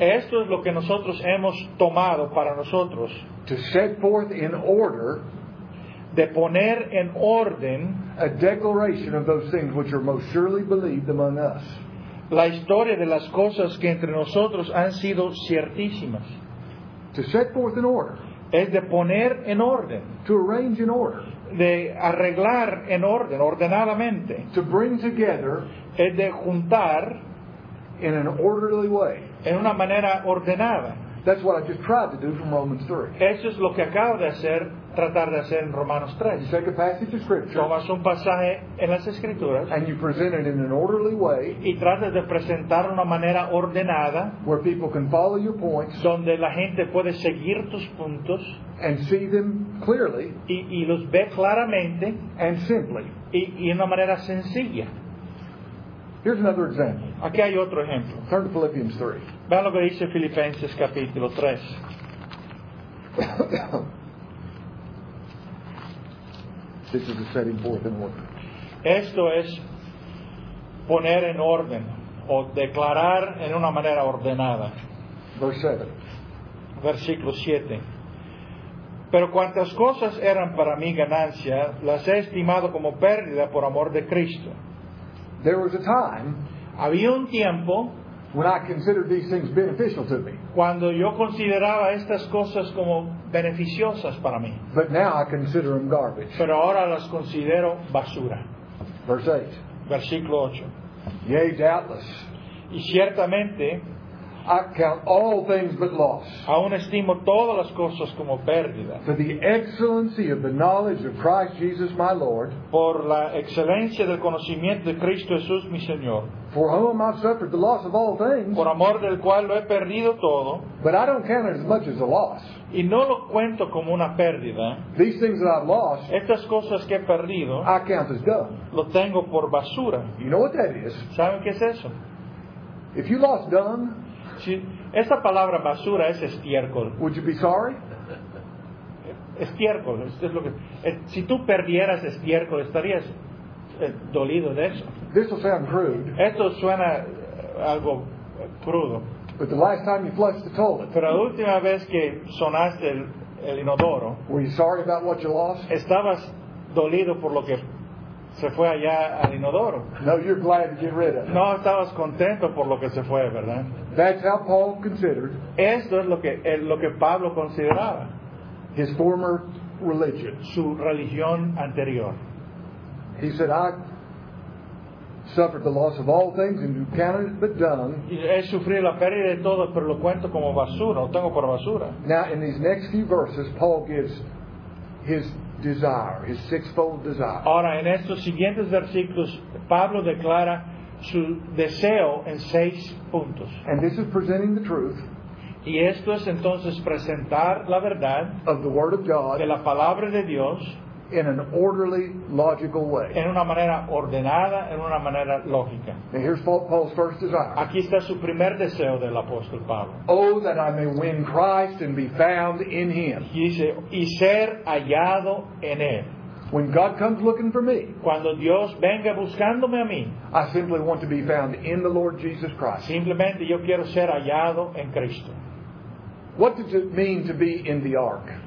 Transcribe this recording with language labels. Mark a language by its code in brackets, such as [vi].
[es] Esto es lo que nosotros hemos tomado para nosotros. [en] To set forth in order, [es] de poner en orden, [en] a declaration of those things which are most surely believed among us. [es] La historia de las cosas que entre nosotros han sido ciertísimas. [en] To set forth in order. [es] Es de poner en orden. [en] To arrange in order. [es] De arreglar en orden, ordenadamente. [en] To bring together. [es] Es de juntar. [en] In an orderly way. [es] En una manera ordenada. [en] That's what I just tried to do from Romans 3. [es] Eso es lo que acabo de hacer, tratar de hacer en Romanos 3. [en] You take a passage of Scripture. [es] Tomas un pasaje en las Escrituras. [en] And you present it in an orderly way. [es] Y tratas de presentar una manera ordenada. [en] Where people can follow your points. [es] Donde la gente puede seguir tus puntos. [en] And see them clearly. [es] Y los ve claramente. [en] And simply. [es] Y en una manera sencilla. [en] Here's another example. [es] Aquí hay otro ejemplo. [en] Turn to Philippians 3. [es] Ve lo que dice Filipenses capítulo 3. [en] This is a setting forth in order. [es] Esto es poner en orden o declarar en una manera ordenada. Versículo 7. Pero cuantas cosas eran para mi ganancia, las he estimado como pérdida por amor de Cristo. [en] There was a time, [es] había un tiempo, [en] when I considered these things beneficial to me. [es] Cuando yo consideraba estas cosas como beneficiosas para mí. [en] But now I consider them garbage. [es] Pero ahora las considero basura. [en] Verse 8. Yea, doubtless. [es] Y ciertamente, [en] I count all things but loss. [es] Aún estimo todas las cosas como pérdida. [en] For the excellency of the knowledge of Christ Jesus my Lord. [es] Por la excelencia del conocimiento de Cristo Jesús mi Señor. [en] For whom I suffered the loss of all things. [es] Por amor del cual lo he perdido todo. [en] But I don't count it as much as a loss. [es] Y no lo cuento como una pérdida. [en] These things that I've lost. [es] Estas cosas que he perdido. [en] I count as dung. [es] Lo tengo por basura. [en] You know what that is? [es] ¿Saben qué es eso? [en] If you lost dung. [es] Si, esa palabra basura es estiércol. [en] Would you be sorry? [es] Estiércol. Es lo que, si tú perdieras estiércol, estarías dolido de eso. [en] This will sound crude. [es] Esto suena algo crudo. [en] But the last time you flushed the toilet. [es] Pero la última vez que sonaste el inodoro. [en] Were you sorry about what you lost? [es] Estabas dolido por lo que se fue allá al inodoro. [en] No, you're glad to get rid of it. [es] No, estabas contento por lo que se fue, ¿verdad? [en] That's how Paul considered. [es] Esto es lo que Pablo consideraba. [en] His former religion. [es] Su religión anterior. [en] He said, I suffered the loss of all things and counted it but dung. [es] He sufrió la pérdida de todo, pero lo cuento como basura. Lo tengo por basura. [en] Now, in these next few verses, Paul gives his desire, his sixfold desire. [es] Ahora, en estos siguientes versículos, Pablo declara su deseo en seis puntos. [en] And this is presenting the truth. [es] Y esto es entonces presentar la verdad [en] of the Word of God, [es] de la palabra de Dios, [en] in an orderly, logical way. [es] En una manera ordenada, en una manera lógica. [en] Now here's Paul's first desire. [es] Aquí está su primer deseo del apóstol Pablo. [en] Oh, that I may win Christ and be found in Him. [es] Y dice, y ser hallado en Él. [en] When God comes looking for me, [es] cuando Dios venga buscándome a mí, [en] I simply want to be found in the Lord Jesus Christ. [es] Simplemente yo quiero ser hallado en Cristo. [en] What does it mean to be in the ark?